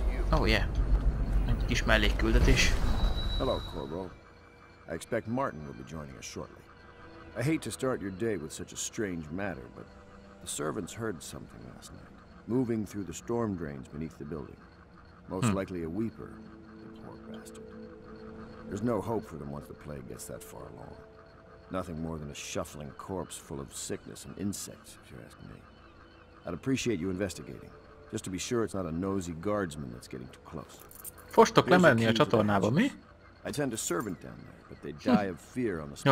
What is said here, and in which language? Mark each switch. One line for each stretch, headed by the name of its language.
English: Oh yeah.
Hungarian: Egy kis mellékküldetés.
English: Hello, Corvo. I expect Martin will be joining us shortly. I hate to start your day with such a strange matter, but the servants heard something last night. Moving through the storm drains beneath the building. Most likely a weeper, the poor bastard. There's no hope for them once the plague gets that far along. Nothing more than a shuffling corpse full of sickness and insects, if you're asking me. I'd appreciate you investigating, just to be sure it's not a nosy guardsman that's getting too close.
Hungarian: Fostok lemenni a csatornába, mi?
English: I'd send a servant down there, but they'd die of fear on the spot.